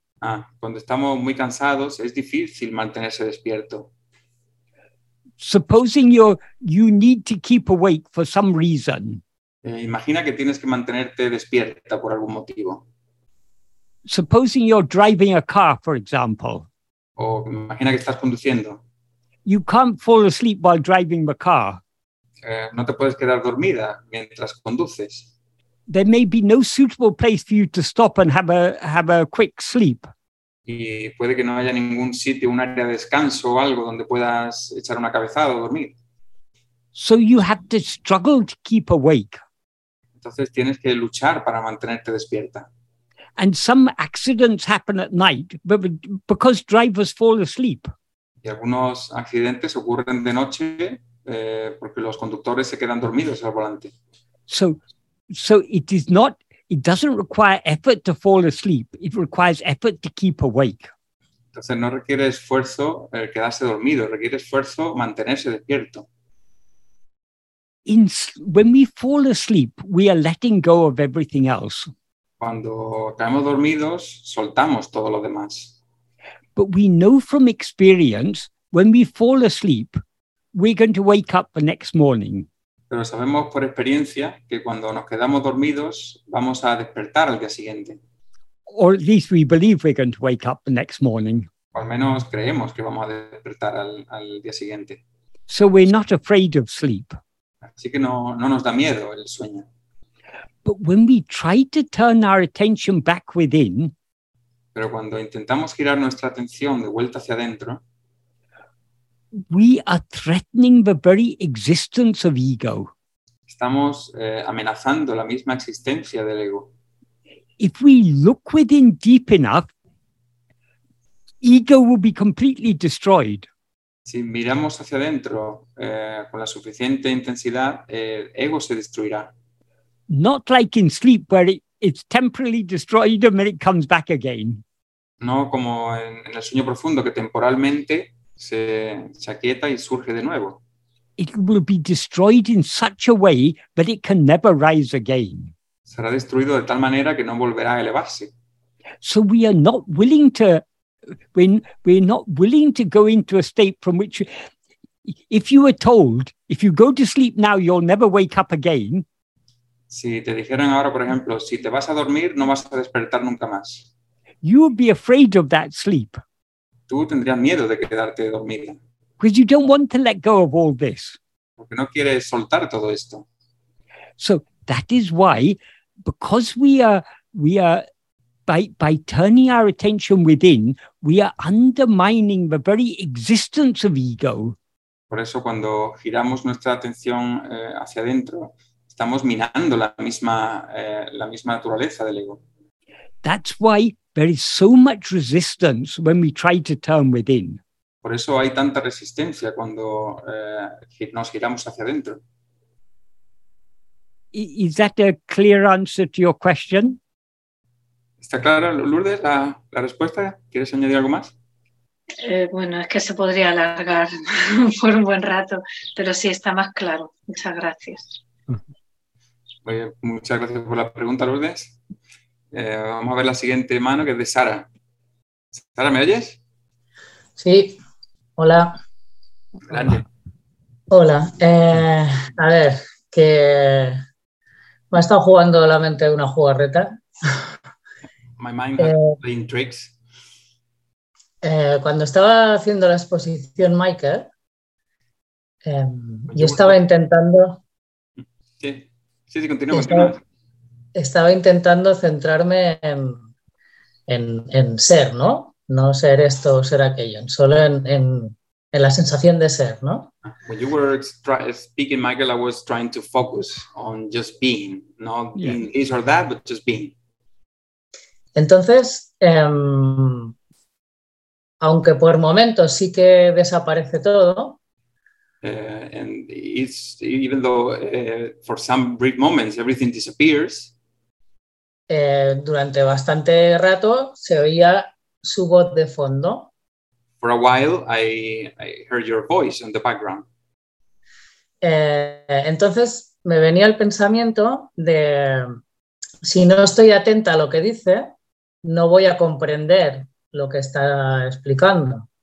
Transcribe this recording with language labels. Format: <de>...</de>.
<es>Cuando estamos muy cansados, es difícil mantenerse despierto.</es> <en>Supposing you need to keep awake for some reason.</en> <es>Imagina que tienes que mantenerte despierta por algún motivo.</es> <en>Supposing you're driving a car, for example.</en> <es>O imagina que estás conduciendo.</es> <en>You can't fall asleep while driving the car.</en> <es>No te puedes quedar dormida mientras conduces.</es> <en>There may be no suitable place for you to stop and have a quick sleep.</en> <es>Y puede que no haya ningún sitio, un área de descanso o algo donde puedas echar una cabezada o dormir.</es> <en>So you have to struggle to keep awake.</en> <es>Entonces tienes que luchar para mantenerte despierta.</es> <en>And some accidents happen at night because drivers fall asleep.</en> <es>Y algunos accidentes ocurren de noche. Porque los conductores se quedan dormidos al volante.</es> <en>So it is not, it doesn't require effort to fall asleep. It requires effort to keep awake.</en> <es>Entonces no requiere esfuerzo el quedarse dormido, requiere esfuerzo mantenerse despierto.</es> <en>When we fall asleep, we are letting go of everything else.</en> <es>Cuando caemos dormidos, soltamos todo lo demás.</es> <en>But we know from experience, when we fall asleep, we're going to wake up the next morning.</en> <es>Pero sabemos por experiencia que cuando nos quedamos dormidos vamos a despertar al día siguiente.</es> <en>Or at least we believe we're going to wake up the next morning.</en> <es>O al menos creemos que vamos a despertar al día siguiente.</es> <en>So we're not afraid of sleep.</en> <es>Así que no nos da miedo el sueño.</es> <en>But when we try to turn our attention back within,</en> <es>pero cuando intentamos girar nuestra atención de vuelta hacia adentro,</es> <en>we are threatening the very existence of ego.</en> <es>Estamos amenazando la misma existencia del ego.</es> <en>If we look within deep enough, ego will be completely destroyed.</en> <es>Si miramos hacia adentro con la suficiente intensidad, ego se destruirá.</es> <en>Not like in sleep where it's temporarily destroyed and then it comes back again.</en> <es>No como en el sueño profundo que temporalmente se aquieta y surge de nuevo.</es> <en>It will be destroyed in such a way that it can never rise again.</en> <es>Será destruido de tal manera que no volverá a elevarse.</es> <en>So we are not willing to we're not willing to go into a state from which, if you were told, if you go to sleep now, you'll never wake up again.</en> <es>Si te dijeran ahora, por ejemplo, si te vas a dormir, no vas a despertar nunca más.</es> <en>You would be afraid of that sleep.</en> <es>Tú tendrías miedo de quedarte dormida.</es> <en>Because you don't want to let go of all this.</en> <es>Porque no quieres soltar todo esto.</es> <en>So that is why, because we are by turning our attention within, we are undermining the very existence of ego.</en> <es>Por eso cuando giramos nuestra atención hacia adentro, estamos minando la misma naturaleza del ego.</es> <en>That's why there is so much resistance when we try to turn within.</en> <es>Por eso hay tanta resistencia cuando nos giramos hacia adentro.</es> <en>Is that a clear answer to your question?</en> <es>¿Está clara, Lourdes, la respuesta? ¿Quieres añadir algo más? Bueno, es que se podría alargar por un buen rato, pero sí está más claro. Muchas gracias. Oye, muchas gracias por la pregunta, Lourdes. Vamos a ver la siguiente mano, que es de Sara. Sara, ¿me oyes? Sí, hola. Grande. Hola. A ver, que me ha estado jugando la mente de una jugarreta.</es> <en>My mind has been tricks.</en> <es>Cuando estaba haciendo la exposición, Michael, yo estaba intentando... Sí, continuamos. Estaba intentando centrarme en ser, ¿no? No ser esto o ser aquello, solo en la sensación de ser, ¿no?</es> <en>When you were speaking, Michael, I was trying to focus on just being, not being this or that, but just being.</en> <es>Entonces, aunque por momentos sí que desaparece todo.</es> <en>And it's even though for some brief moments everything disappears.</en> <es>Durante bastante rato se oía su voz de fondo.</es> <en>For a while I heard your voice in the background.</en> <es>Entonces me venía el pensamiento de si no estoy atenta a lo que dice, no voy a comprender lo que está explicando.</es>